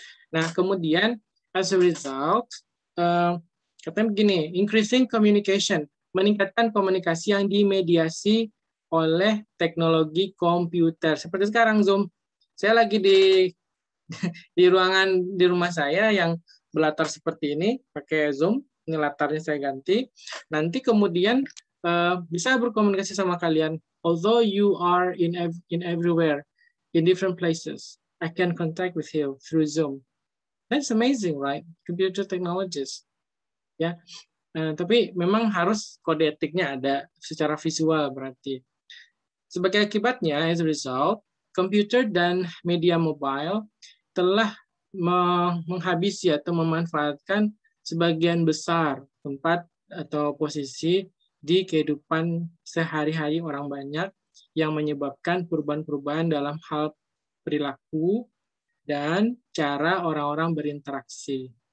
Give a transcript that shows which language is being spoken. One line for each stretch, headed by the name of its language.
Indonesian: Nah, kemudian
English: as a result,
Indonesian: katanya begini,
English: increasing communication,
Indonesian: meningkatkan komunikasi yang dimediasi oleh teknologi komputer. Seperti sekarang Zoom. Saya lagi di ruangan di rumah saya yang berlatar seperti ini, pakai Zoom. Ini latarnya saya ganti. Nanti kemudian bisa berkomunikasi sama kalian.
English: Although you are in everywhere, in different places, I can contact with you through Zoom. That's amazing, right? Computer technologies. Ya. Yeah.
Indonesian: Tapi memang harus kode etiknya ada secara visual berarti. Sebagai akibatnya,
English: as a result,
Indonesian: komputer dan media mobile telah menghabisi atau memanfaatkan sebagian besar tempat atau posisi di kehidupan sehari-hari orang banyak yang menyebabkan perubahan-perubahan dalam hal perilaku dan cara orang-orang berinteraksi.